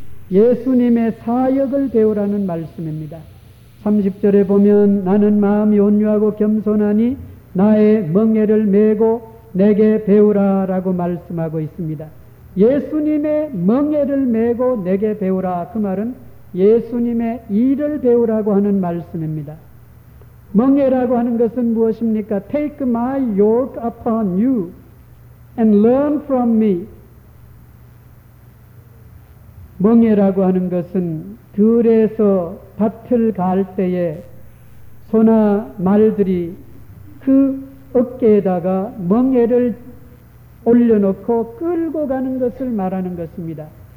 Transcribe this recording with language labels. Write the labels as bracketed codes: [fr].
[ko] 예수님의 사역을 배우라는 말씀입니다. 30절에 보면 나는 마음이 온유하고 겸손하니 나의 멍에를 메고 내게 배우라 라고 말씀하고 있습니다. 예수님의 멍에를 메고 내게 배우라, 그 말은 예수님의 일을 배우라고 하는 말씀입니다. 멍에라고 하는 것은 무엇입니까? [en] Take my yoke upon you and learn from me. [ko] 멍에라고 하는 것은 들에서 밭을 갈 때에 소나 말들이 그 어깨에다가 멍에를 올려놓고 끌고 가는 것을 말하는 것입니다.